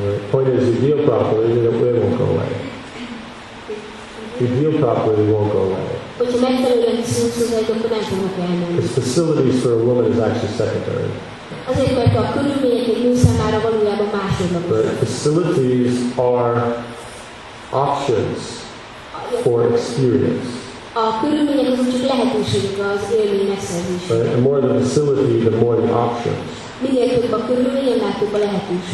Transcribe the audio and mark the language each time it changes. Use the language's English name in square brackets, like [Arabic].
[English] Point is, you deal properly, it won't go away. You deal properly, it won't go away. [Hungarian] Hogyha megfelelően viszonyulsz, akkor nem fognak elmenni. [English] Its facilities for a woman is actually secondary. [Hungarian] Azért, mert a körülmények egy nő számára valójában másodlagos. [English] But facilities are options for experience. [Hungarian] A körülmények azon csak lehetőségek az élmény megszerzésére. [English] The more the facility, the more the options. [Hungarian] Minél több a körülmény, annál több a lehetőség.